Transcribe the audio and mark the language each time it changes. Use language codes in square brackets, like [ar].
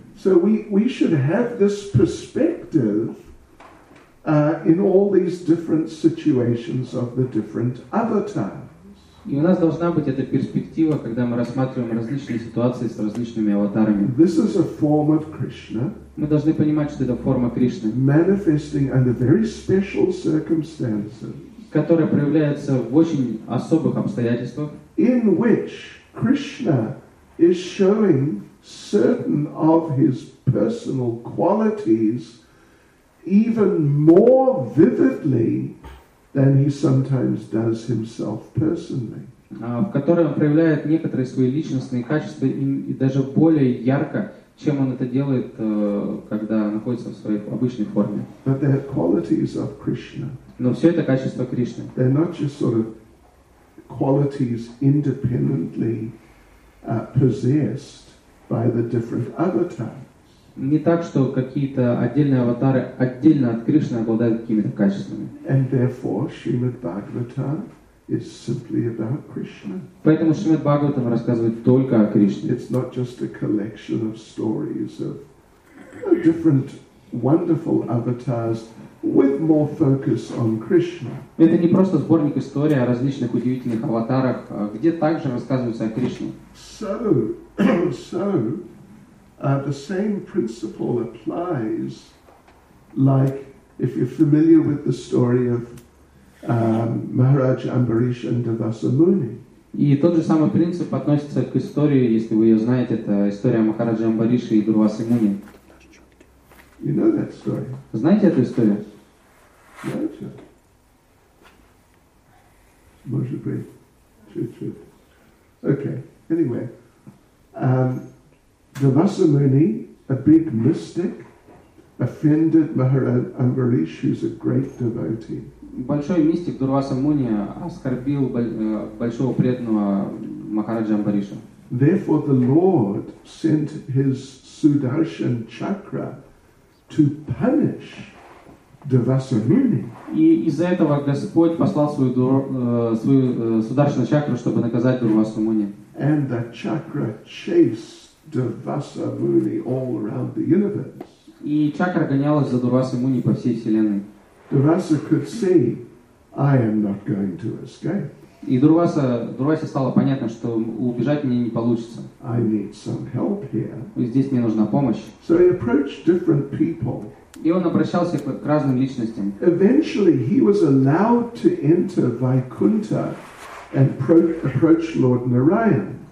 [en] So we should have this perspective in all these different situations of the different avatars. [ru] И у нас должна быть эта перспектива, когда мы рассматриваем различные ситуации с различными аватарами. [en] This is a form of Krishna. [ru] Мы должны понимать, что это форма Кришны. [en] Manifesting under very special circumstances. [ru] Которая проявляется в очень особых обстоятельствах. [en] In which Krishna is showing certain of his personal qualities even more vividly than he sometimes does himself personally. [ru] В котором он проявляет некоторые свои личностные качества и даже более ярко, чем он это делает, когда находится в своей обычной форме. [en] But they're qualities of Krishna. [ru] Но все это качества Кришны. [en] They're not just sort of qualities independently possessed by the different avatars. [ru] Не так, что какие-то отдельные аватары отдельно от Кришны обладают какими-то качествами. [en] And therefore, Srimad Bhagavatam is simply about Krishna. [ru] Поэтому Шримад Бхагаватам рассказывает только о Кришне. [en] It's not just a collection of stories of different wonderful avatars with more focus on Krishna. [ru] Это не просто сборник историй о различных удивительных аватарах, где также рассказывается о Кришне. [en] So, the same principle applies, like if you're familiar with the story of Maharaj Ambarish and Devasamuni. [ru] И тот же самый принцип относится к истории, если вы ее знаете, это история Махараджа Амбариша и Дурвасамуни. [en] You know that story? [ru] Знаете эту историю? Может быть. [en] Okay. Anyway. Devasamuni, a big mystic, offended Maharaj Ambarish, who's a great devotee. [ru] Большой мистик Дурвасамуни оскорбил большого преданного Махараджа Амбариша. [en] Therefore the Lord sent his Sudarshan Chakra to punish Devasamuni. [ru] И из-за этого Господь послал свою Сударшану Чакру, чтобы наказать Дурвасамуни. [en] And the chakra chased Devasamuni all around the universe. [ru] И чакра гонялась за Дурвасамуни по всей вселенной. [en] Durvasa could see, I am not going to escape. [ru] И Дурвасе стало понятно, что убежать мне не получится. [en] I need some help here. [ru] Здесь мне нужна помощь. [en] So he approached different people. [ru] И он обращался к разным личностям. [en] Eventually he was allowed to enter Vaikuntha and approach Lord Narayan.